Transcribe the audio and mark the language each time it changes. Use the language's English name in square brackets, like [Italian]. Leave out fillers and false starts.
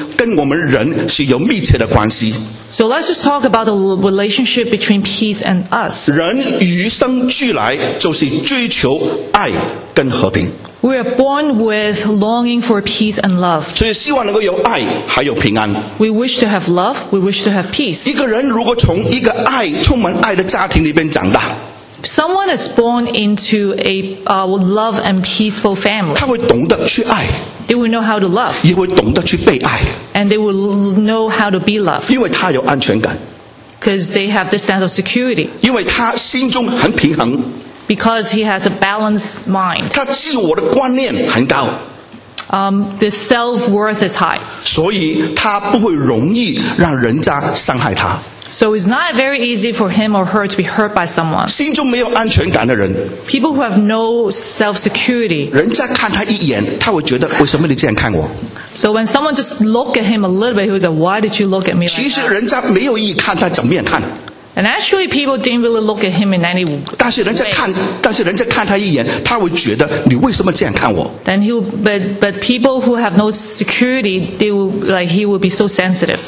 [Chinese] 也许我们就讲一讲平安和平跟我们人是有密切的关系。 [English] So let's just talk about the relationship between peace and us. [Chinese] 人与生俱来就是追求爱跟和平。 [English] We are born with longing for peace and love. [Chinese] 所以希望能够有爱还有平安。 [English] We wish to have love, we wish to have peace. [Chinese] 一个人如果从一个爱充满爱的家庭里面长大, [English] Someone is born into a love and peaceful family. [Chinese] 他会懂得去爱。 [English] They will know how to love. [Chinese] 也会懂得去被爱。 [English] And they will know how to be loved. [Chinese] 因为他有安全感。 [English] Because they have this sense of security. [Chinese] 因为他心中很平衡。 [English] Because he has a balanced mind. [Chinese] 他自我的观念很高。 [English] The self-worth is high. [Chinese] 所以他不会容易让人家伤害他。 [English] So it's not very easy for him or her to be hurt by someone. [Chinese] 心中没有安全感的人, [English] People who have no self-security. [Chinese] 人家看他一眼,他会觉得为什么你这样看我? [English] So when someone just look at him a little bit, he would say, why did you look at me like that? [Chinese] 其实人家没有意看他怎么样看。 [English] And actually people didn't really look at him in any way. [Chinese] 但是人家看他一眼,他会觉得你为什么这样看我? [English] But people who have no security, he will be so sensitive.